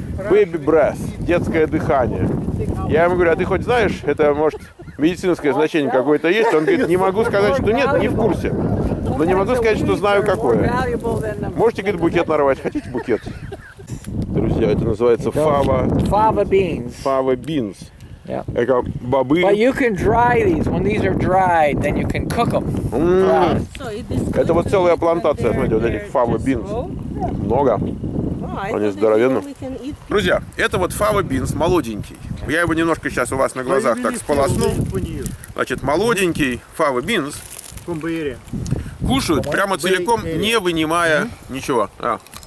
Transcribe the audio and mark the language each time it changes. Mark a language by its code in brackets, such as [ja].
[ru] «Baby breath» – детское дыхание. Я ему говорю, а ты хоть знаешь, это может медицинское значение какое-то есть? Он говорит, не могу сказать, что нет, не в курсе. Но не могу сказать, что знаю, какое. Можете, говорит, букет нарвать? Хотите букет? Друзья, это называется фава. [en] Фава beans. Фава beans. Yeah. [ru] Это бобы. [en] But you can dry these. When these are dry, then you can cook them. Mm. [ru] Это вот целая плантация, смотрите, вот этих фава beans. Yeah. Много. Они здоровенны. Друзья, это вот фава beans, молоденький. Я его немножко сейчас у вас на глазах так сполоснул. Значит, молоденький фава beans. Кушают прямо целиком, не вынимая ничего. А.